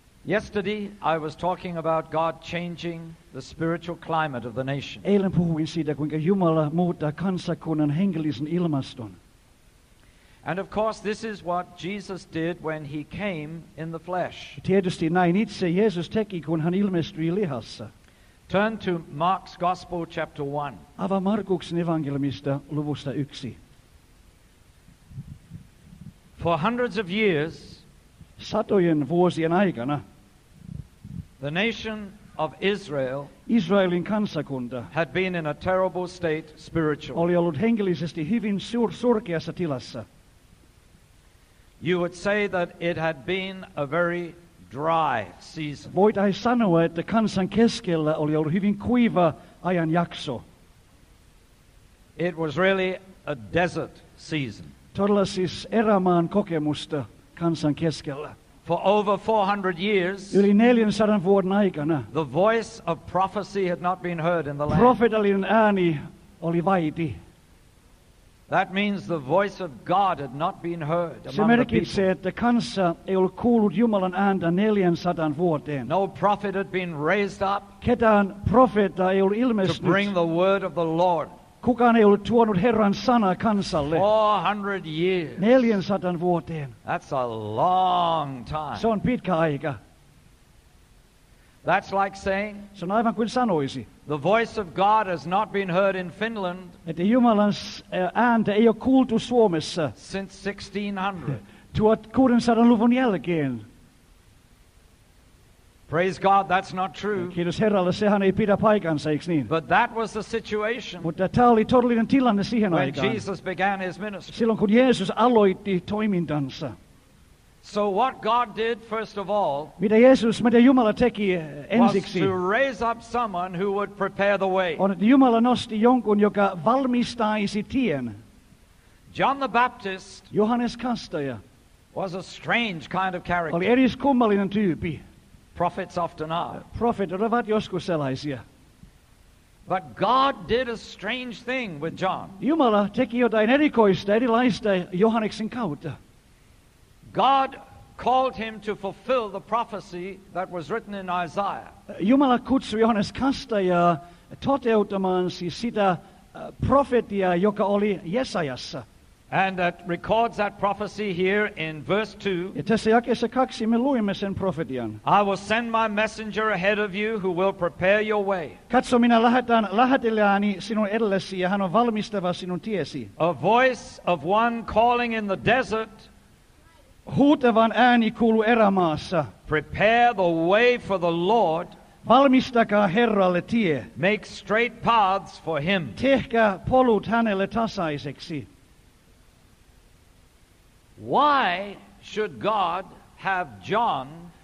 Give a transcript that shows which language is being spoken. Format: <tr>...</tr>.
<en>Yesterday I was talking about God changing the spiritual climate of the nation.</en> <fi>Eilen puhuin siitä, kuinka Jumala muuttaa kansakunnan hengellisen ilmaston.</fi> <en>And of course this is what Jesus did when he came in the flesh.</en> <fi>Tietysti näin itse Jeesus teki, kun hän ilmestyi lihassa.</fi> <en>Turn to Mark's Gospel chapter 1.</en> <fi>Avaa Markuksen evankeliumista luvusta 1.</fi> <en>For hundreds of years,</en> <fi>satojen vuosien aikana,</fi> <en>the nation of Israel,</en> <fi>Israelin kansakunta,</fi> <en>had been in a terrible state spiritually.</en> <fi>Oli ollut hengellisesti hyvin surkeassa tilassa.</fi> <en>You would say that it had been a very dry season.</en> <fi>Voitaisiin sanoa, että kansan keskellä oli ollut hyvin kuiva ajanjakso.</fi> <en>It was really a desert season.</en> <fi>Todella siis erämaan kokemusta kansan keskellä.</fi> <en>For over 400 years,</en> <fi>yli 400 vuoden aikana,</fi> <en>the voice of prophecy had not been heard in the land.</en> <fi>Profeetallinen ääni oli vaiti.</fi> <en>That means the voice of God had not been heard among the people.</en> <fi>Se merkitsee, että kansa ei ollut kuullut Jumalan ääntä 400 vuoteen.</fi> <en>No prophet had been raised up.</en> <fi>Ketään profeetta ei ollut ilmestynyt.</fi> <en>To bring the word of the Lord.</en> <fi>Kukaan ei ollut tuonut Herran sanaa kansalle.</fi> <en>400 years.</en> <fi>400 vuoteen.</fi> <en>That's a long time.</en> <fi>Se on pitkä aika.</fi> <en>That's like saying,</en> <fi>se on aivan kuin sanoisi,</fi> <en>the voice of God has not been heard in Finland,</en> <fi>että Jumalan ääntä ei ole kuultu Suomessa</fi> <en>since 1600.</en> <fi>1600 luvun jälkeen.</fi> <en>Praise God, that's not true.</en> <fi>Kiitos Herralle, sehän ei pidä paikansa, eikö niin?</fi> <en>But that was the situation.</en> <fi>Mutta tämä oli todellinen tilanne siihen</fi> <en>when</en> <fi>aikaan.</fi> <en>Jesus began his ministry.</en> <fi>Silloin kun Jeesus aloitti toimintansa.</fi> <en>So what God did first of all,</en> <fi>mitä Jeesus, mitä Jumala teki ensiksi,</fi> <en>was to raise up someone who would prepare the way.</en> <fi>On, että Jumala nosti jonkun, joka valmistaisi tien.</fi> <en>John the Baptist,</en> <fi>Johannes Kastaja,</fi> <en>was a strange kind of character.</en> <fi>Oli eri kummallinen tyyppi.</fi> <en>Prophets often are.</en> <fi>Profeetat ovat joskus sellaisia.</fi> <en>But God did a strange thing with John.</en> <fi>Jumala teki jotain erikoista, erilaista Johanneksen kautta.</fi> <en>God called him to fulfill the prophecy that was written in Isaiah.</en> <fi>Jumala kutsui Johannes Kastajaa toteuttamaan siis sitä profetia, joka oli Jesajassa.</fi> <en>And that records that prophecy here in verse 2.</en> <fi>Ja tässä jakeessa 2 me luimme sen profetian.</fi> <en>I will send my messenger ahead of you who will prepare your way.</en> <fi>Katso, minä lähetän lähetelijääni sinun edellesi ja hän on valmistava sinun tiesi.</fi> <en>A voice of one calling in the desert.</en> <fi>Huutavan ääni kuului erämaassa.</fi> <en>Prepare the way for the Lord.</en> <fi>Valmistakaa Herralle tie.</fi> <en>Make straight paths for him.</en> <fi>Tehkää polut hänelle tasaiseksi.</fi> <en>Why should God have John?</en>